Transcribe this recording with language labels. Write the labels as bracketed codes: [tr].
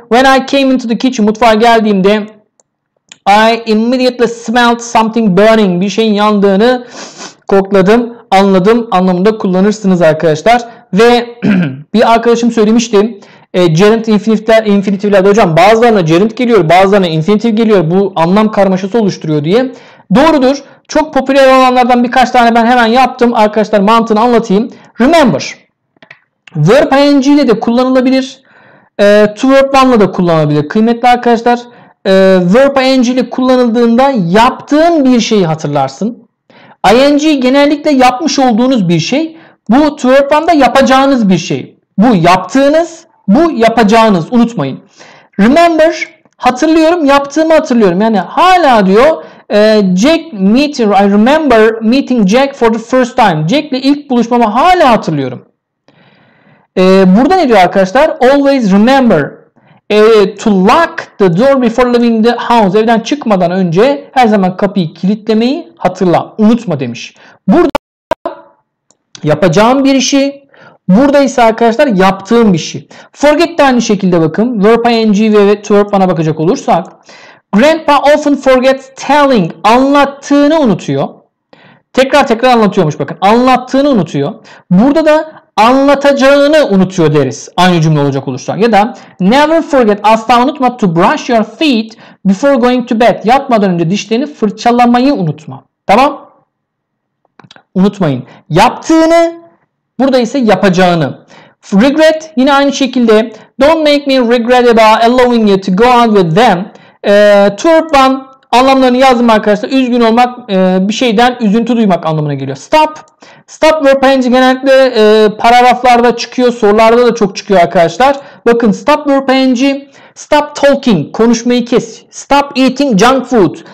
[en] When I came into the kitchen, [tr] mutfağa geldiğimde [en] I immediately smelled something burning. [tr] Bir şeyin yandığını kokladım, anladım anlamında kullanırsınız arkadaşlar. Ve bir arkadaşım söylemişti. Gerund infinitivlerde hocam bazılarına gerund geliyor, bazılarına infinitiv geliyor. Bu anlam karmaşası oluşturuyor diye. Doğrudur. Çok popüler olanlardan birkaç tane ben hemen yaptım. Arkadaşlar mantığını anlatayım. Remember. Verb ing ile de kullanılabilir. To verb one ile de kullanılabilir. Kıymetli arkadaşlar. Verb ing ile kullanıldığında yaptığın bir şeyi hatırlarsın. Ing genellikle yapmış olduğunuz bir şey. Bu to verb one da yapacağınız bir şey. Bu yaptığınız, bu yapacağınız. Unutmayın. Remember. Hatırlıyorum, yaptığımı hatırlıyorum. Yani hala diyor. [en] Jack meeting, I remember meeting Jack for the first time. [tr] Jack'le ilk buluşmamı hala hatırlıyorum. Burada ne diyor arkadaşlar? [en] Always remember to lock the door before leaving the house. [tr] Evden çıkmadan önce her zaman kapıyı kilitlemeyi hatırla, unutma demiş. Burada yapacağım bir işi, burada ise arkadaşlar yaptığım bir şey. Forget de aynı şekilde bakın. Verb ing ve to verb one'a bakacak olursak. [en] Grandpa often forgets telling. [tr] Anlattığını unutuyor. Tekrar tekrar anlatıyormuş bakın. Anlattığını unutuyor. Burada da anlatacağını unutuyor deriz. Aynı cümle olacak olursa. Ya da [en] never forget, [tr] asla unutma [en] to brush your feet before going to bed. [tr] Yatmadan önce dişlerini fırçalamayı unutma. Tamam? Unutmayın. Yaptığını, burada ise yapacağını. Regret yine aynı şekilde. [en] Don't make me regret about allowing you to go out with them. [tr] Turban anlamlarını yazdım arkadaşlar. Üzgün olmak, bir şeyden üzüntü duymak anlamına geliyor. Stop. Stop verb ing genellikle paragraflarda çıkıyor. Sorularda da çok çıkıyor arkadaşlar. Bakın stop verb ing. [en] Stop talking. [tr] Konuşmayı kes. [en] Stop eating junk food.